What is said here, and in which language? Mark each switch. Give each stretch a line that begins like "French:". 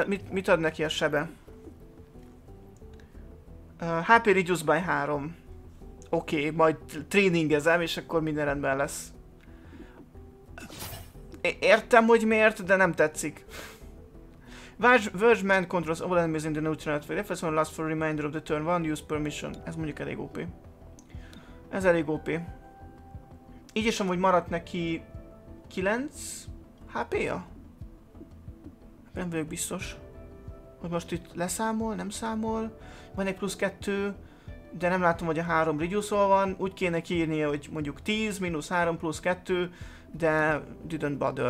Hungarian: Mit ad neki a sebe?
English: HP reduce by 3.
Hungarian: Oké, okay, majd tréningezem és akkor minden rendben lesz. Értem, hogy miért, de nem tetszik.
English: Verge Mind Controls all enemies in the neutral network. If someone lasts for a remainder of the turn, one use permission.
Hungarian: Ez mondjuk elég OP. Ez elég OP. Így is amúgy maradt neki... 9... HP-ja? Nem vagyok biztos. Hogy most itt leszámol, nem számol. Van egy plusz 2. De nem látom, hogy a 3 reduce-ol van. Úgy kéne kiírnia, hogy mondjuk 10, minusz 3, plusz 2. De...
English: didn't bother.